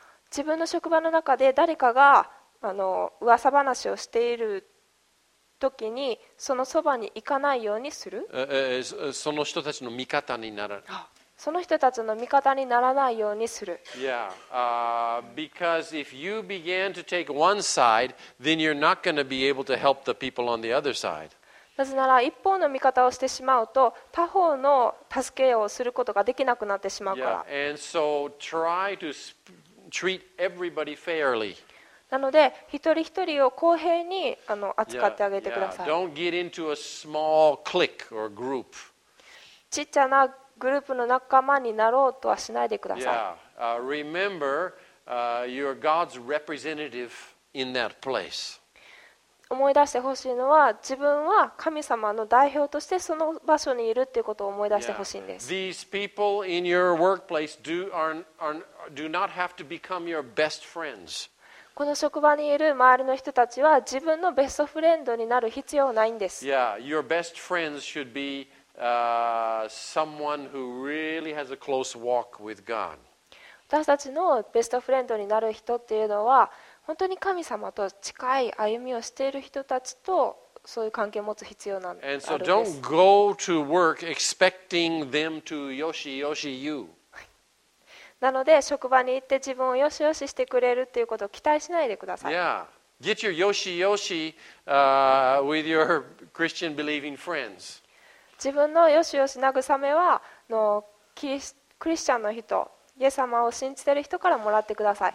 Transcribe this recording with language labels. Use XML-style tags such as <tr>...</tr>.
<ja>自分の職場の中で誰かが噂話をしている時にそのそばに行かないようにする。その人たちの味方にならない。その人たちの味方にならないようにする。</ja> <en>Yeah, because if you begin to take one side, then you're not going to be able to help the people on the other side.</en> <ja>なぜなら一方の味方をしてしまうと他方の助けをすることができなくなってしまうから。</ja> <en>Yeah. And so try to treat everybody fairly.</en> <ja>なので一人一人を公平に扱ってあげてください。</ja> <en>Yeah. Yeah. Don't get into a small clique or group.</en> <ja>ちっちゃなグループの仲間になろうとはしないでください。 Yeah.</ja> <en>Remember, you are God's representative in that place.</en> <ja>思い出してほしいのは、自分は神様の代表としてその場所にいるということを思い出してほしいんです。</ja> <en>Yeah. These people in your workplace do not have to become your best friends.</en> <ja>この職場にいる周りの人たちは自分のベストフレンドになる必要はないんです。</ja> <en>Yeah, your best friends should be someone who really has a close walk with God.</en> <ja>私たちのベストフレンドになる人っていうのは本当に神様と近い歩みをしている人たちとそういう関係を持つ必要なんです。</ja> <en>And so don't go to work expecting them to</en> <ja>yoshi yoshi</ja> <en>you.</en> <ja>なので職場に行って自分をよしよししてくれるっていうことを期待しないでください。</ja> <en>Yeah. Get your</en> <ja>yoshi yoshi</ja> <en>with your Christian believing friends.</en> <ja>自分のよしよし慰めはのクリスチャンの人、イエス様を信じてる人からもらってください。</ja>